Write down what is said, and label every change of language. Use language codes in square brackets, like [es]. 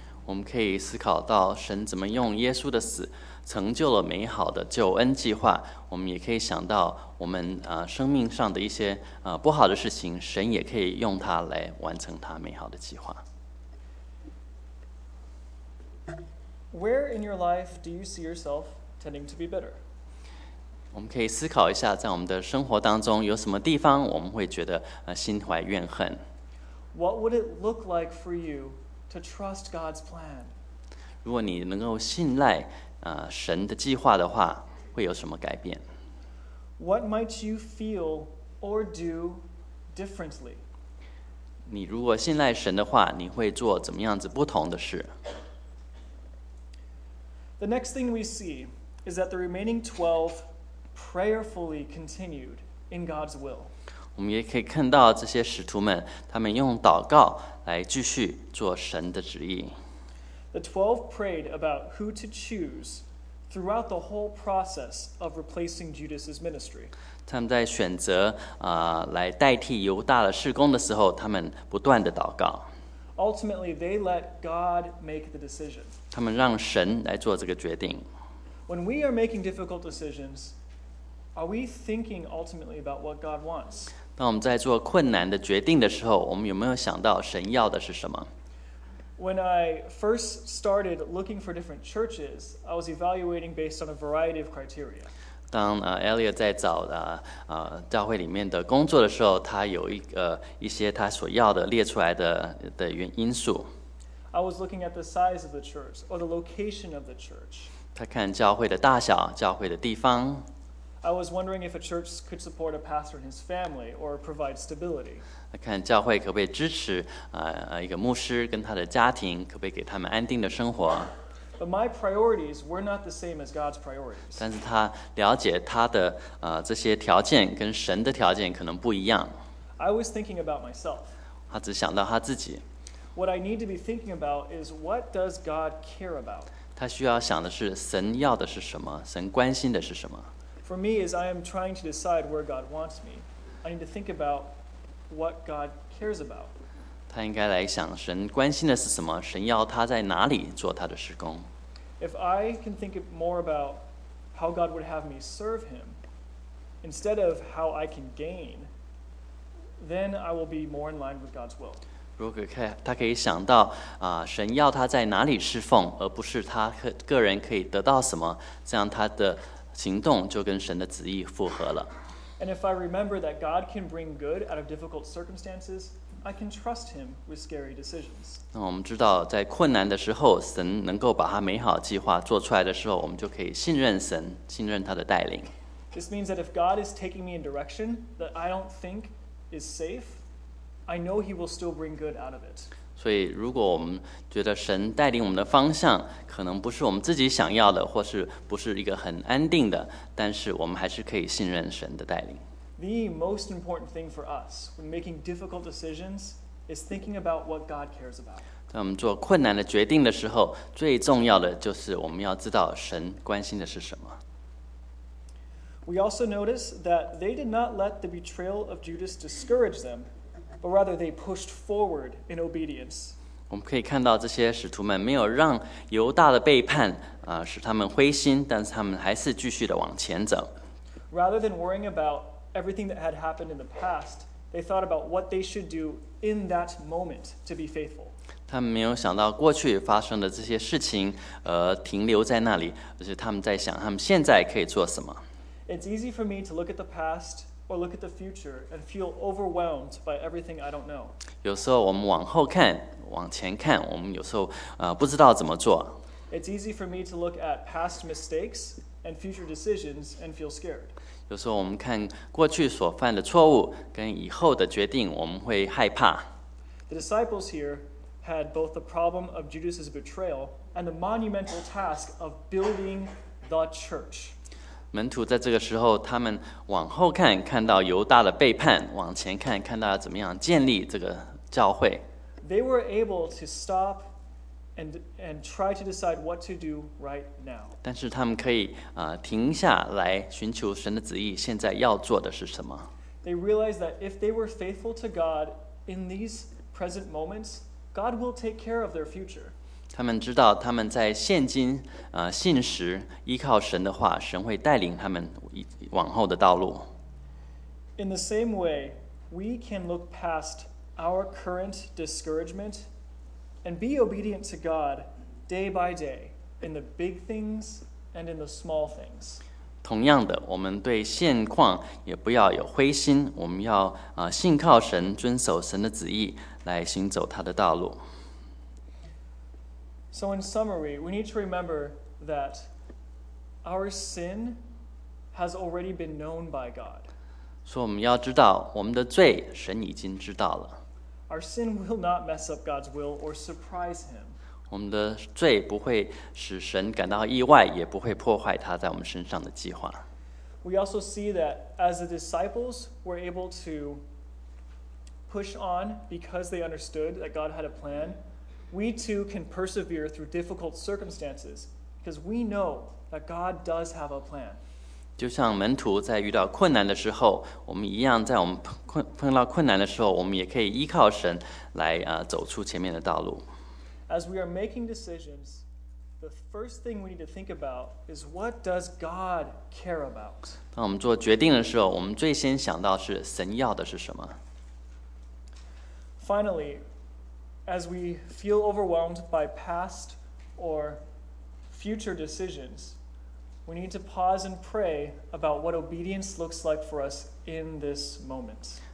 [zh] 我们可以思考到神怎么用耶稣的死成就了美好的救恩计划，我们也可以想到我们，生命上的一些，不好的事情，神也可以用它来完成他美好的计划。 [en] Where in your life do you see yourself tending to be bitter? [zh] 我们可以思考一下，在我们的生活当中有什么地方我们会觉得，心怀怨恨。 [en] What would it look like for youTo trust God's plan. [zh] 如果你能够信赖，神的计划的话，会有什么改变？ [en] What might you feel or do differently? [zh] 你如果信赖神的话，你会做怎么样子不同的事？ [en] The next thing we see is that the remaining 12 prayerfully continued in God's will. [zh] 我们也可以看到这些使徒们，他们用祷告来继续做神的旨意。 [en] The 12 prayed about who to choose throughout the whole process of replacing Judas's ministry. [zh] 他们在选择，来代替犹大的事工的时候，他们不断的祷告。 [en] Ultimately, they let God make the decision. [zh] 他们让神来做这个决定。 [en] When we are making difficult decisions,Are we thinking ultimately about what God wants? [zh] 当我们在做困难的决定的时候，我们有没有想到神要的是什么？ [en] When I first started looking for different churches, I was evaluating based on a variety of criteria. [zh] 当，Elliot 在找，教会里面的工作的时候，他有一些他所要的列出来的因素。 [en] I was looking at the size of the church or the location of the church. [zh] 他看教会的大小，教会的地方。 [en] I was wondering if a church could support a pastor and his family or provide stability. [zh] 看教会可不可以支持，一个牧师跟他的家庭，可不可以给他们安定的生活。 [en] But my priorities were not the same as God's priorities. [zh] 但是他了解他的，这些条件跟神的条件可能不一样。 [en] I was thinking about myself. [zh] 他只想到他自己。 [en] What I need to be thinking about is what does God care about? [zh] 他需要想的是神要的是什么，神关心的是什么。 [en] For me, as I am trying to decide where God wants me, I need to think about what God cares about. [zh] 他应该来想神关心的是什么，神要他在哪里做他的事工。 [en] If I can think more about how God would have me serve him, instead of how I can gain, then I will be more in line with God's will. [zh] 如果他可以想到，神要他在哪里侍奉，而不是他个人可以得到什么，这样他的行动就跟神的旨意符合了。 [en] And if I remember that God can bring good out of difficult circumstances, I can trust him with scary decisions. [zh] 那我们知道在困难的时候，神能够把他美好计划做出来的时候，我们就可以信任神，信任他的带领。 [en] This means that if God is taking me in direction that I don't think is safe, I know he will still bring good out of it. [zh] 所以如果我们觉得神带领我们的方向可能不是我们自己想要的，或是不是一个很安定的，但是我们还是可以信任神的带领。 [en] The most important thing for us when making difficult decisions is thinking about what God cares about. [zh] 当我们做困难的决定的时候，最重要的就是我们要知道神关心的是什么。 [en] We also notice that they did not let the betrayal of Judas discourage them, but rather they pushed forward in obedience. [zh] 我们可以看到这些使徒们没有让犹大的背叛使他们灰心，但是他们还是继续的往前走。 [en] Rather than worrying about everything that had happened in the past, they thought about what they should do in that moment to be faithful. [zh] 他们没有想到过去发生的这些事情而停留在那里，而是他们在想他们现在可以做什么。 [en] It's easy for me to look at the past or look at the future and feel overwhelmed by everything I don't know. [zh] 有时候我们往后看，往前看，我们有时候不知道怎么做。 [en] It's easy for me to look at past mistakes and future decisions and feel scared. [zh] 有时候我们看过去所犯的错误跟以后的决定，我们会害怕。 [en] The disciples here had both the problem of Judas's betrayal and the monumental task of building the church. [zh] 门徒在这个时候，他们往后看，看到犹大的背叛；往前看，看到怎么样建立这个教会。 [en] They were able to stop and try to decide what to do right now. [zh] 但是他们可以停下来寻求神的旨意，现在要做的是什么？ [en] They realized that if they were faithful to God in these present moments, God will take care of their future. [zh] 他们知道他们在现今信实依靠神的话，神会带领他们往后的道路。 [en] In the same way, we can look past our current discouragement and be obedient to God day by day in the big things and in the small things. [zh] 同样的，我们对现况也不要有灰心，我们要信靠神，遵守神的旨意，来行走他的道路。 [en] So in summary, we need to remember that our sin has already been known by God. [zh] 所以我们要知道，我们的罪，神已经知道了。 [en] Our sin will not mess up God's will or surprise him. [zh] 我们的罪不会使神感到意外，也不会破坏他在我们身上的计划。 [en] We also see that as the disciples were able to push on because they understood that God had a plan, we too can persevere through difficult circumstances because we know that God does have a plan. [zh] 就像门徒在遇到困难的时候，我们一样在我们碰到困难的时候，我们也可以依靠神来走出前面的道路。 [en] As we are making decisions, the first thing we need to think about is what does God care about? [zh] 当我们做决定的时候，我们最先想到是神要的是什么。 [en] Finally, as we feel overwhelmed by past or future decisions, we need to pause and pray about what obedience looks like for us in this moment.